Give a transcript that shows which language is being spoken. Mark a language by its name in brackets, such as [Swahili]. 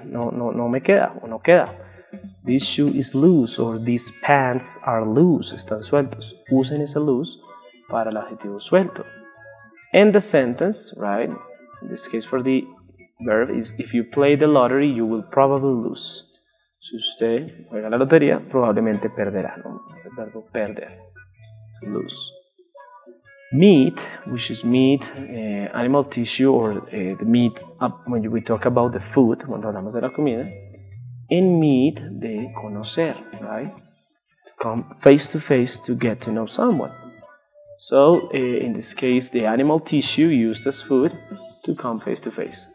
[Spanish] No me queda o no queda. [English] This shoe is loose, or these pants are loose. [Spanish] Están sueltos. Usen ese loose para el adjetivo suelto. [English] And the sentence, right? In this case for the verb is, if you play the lottery, you will probably lose. [Spanish] Si usted juega la lotería, probablemente perderá, ¿no? Es el verbo perder. Loose. [English] Meat, which is meat, animal tissue, or the meat, when we talk about the food, [Spanish] cuando hablamos de la comida, [English] and meat, [Spanish] de conocer, [English] right? To come face to face to get to know someone. So, in this case, the animal tissue used as food to come face to face.